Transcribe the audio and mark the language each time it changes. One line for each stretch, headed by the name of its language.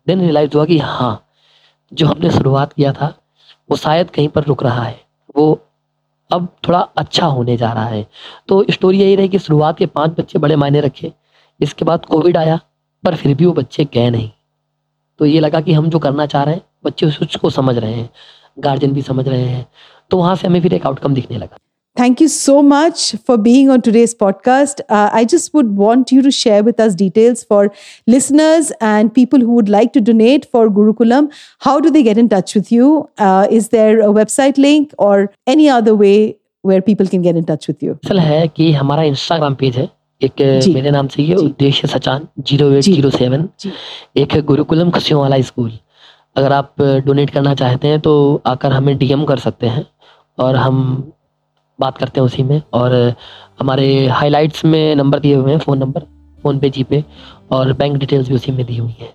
Hindi: Then realise हुआ कि हाँ, जो हमने शुरुआत किया था वो शायद कहीं पर रुक रहा है, वो अब थोड़ा अच्छा होने जा रहा है। तो स्टोरी यही रही कि शुरुआत के 5 बच्चे बड़े मायने रखे, इसके बाद कोविड आया पर फिर भी वो बच्चे गए नहीं। तो ये लगा कि हम जो करना चाह रहे हैं बच्चे उस को समझ रहे हैं, गार्जियन भी समझ रहे हैं, तो वहां से हमें फिर एक आउटकम दिखने लगा।
English: Thank you so much for being on today's podcast. I just would want you to share with us details for listeners and people who would like to donate for Gurukulam. How do they get in touch with you? Is there a website link or any other way where people can get in touch with you?
Hindi: असल है कि हमारा Instagram page है, एक मेरे नाम से ही है, उद्देश्य सचान 0807, एक गुरुकुलम खुशियों वाला स्कूल। अगर आप डोनेट करना चाहते हैं तो आकर हमें DM कर सकते हैं और हम बात करते हैं उसी में। और हमारे हाइलाइट्स में नंबर दिए हुए हैं, फोन नंबर, फोन पे, जीपे, और बैंक डिटेल्स भी उसी में दी हुई है।